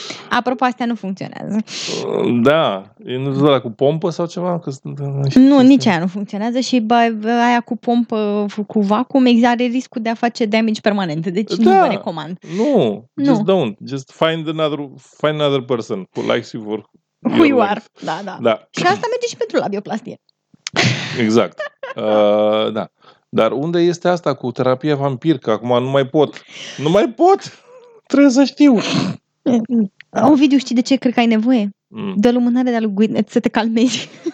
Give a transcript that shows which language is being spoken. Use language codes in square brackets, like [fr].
[ro] Apropo, astea nu funcționează. Da, e nu doar cu pompă sau ceva? Că sunt, nu, nici aia nu funcționează și aia cu pompă, cu vacuum, are riscul de a face damage permanent. Deci da, nu vă recomand. Nu, just nu. [en] Don't. Just find another person who likes you for... Who you are, [ro] da. Și asta merge și pentru labioplastie. Exact. Da. Dar unde este asta cu terapia vampir? Că acum nu mai pot. Nu mai pot! Trebuie să știu. Ovidiu, știi de ce cred că ai nevoie? De lumânare de-a lui Gwyneth să te calmezi.